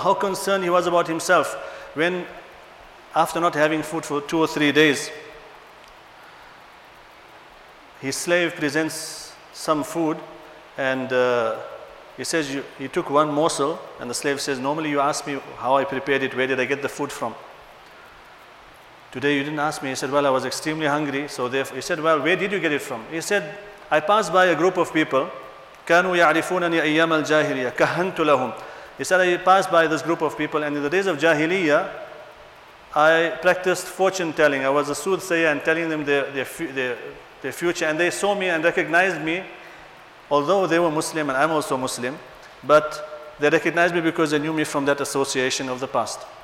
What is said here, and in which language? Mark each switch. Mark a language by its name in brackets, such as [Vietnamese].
[English] How concerned he was about himself when, after not having food for 2 or 3 days, his slave presents some food, and he says, he took one morsel, and the slave says, normally you ask me how I prepared it, where did I get the food from? Today you didn't ask me. He said, well, I was extremely hungry. So therefore, he said, well, where did you get it from? He said, I passed by a group of people. [Arabic] كانوا يعرفونني أيام الجاهلية كهنت لهم. [English] He said, I passed by this group of people, and in the days of Jahiliyyah, I practiced fortune telling. I was a soothsayer and telling them their future, and they saw me and recognized me, although they were Muslim and I'm also Muslim, but they recognized me because they knew me from that association of the past.